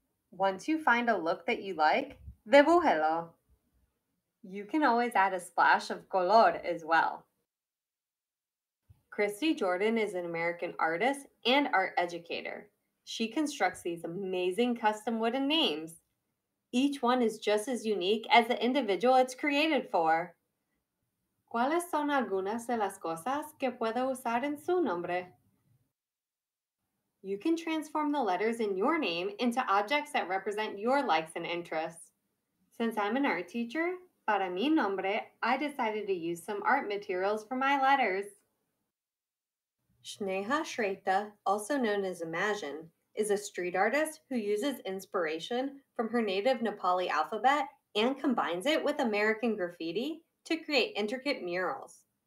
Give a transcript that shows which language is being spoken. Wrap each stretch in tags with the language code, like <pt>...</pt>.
<en>Once you find a look that you like,</en> <es>dibújelo.</es> <en>You can always add a splash of color as well. Christy Jordan is an American artist and art educator. She constructs these amazing custom wooden names. Each one is just as unique as the individual it's created for.</en> <es>¿Cuáles son algunas de las cosas que puedo usar en su nombre?</es> <en>You can transform the letters in your name into objects that represent your likes and interests. Since I'm an art teacher, para mi nombre, I decided to use some art materials for my letters. Sneha Shreta, also known as Imagine, is a street artist who uses inspiration from her native Nepali alphabet and combines it with American graffiti to create intricate murals.</en>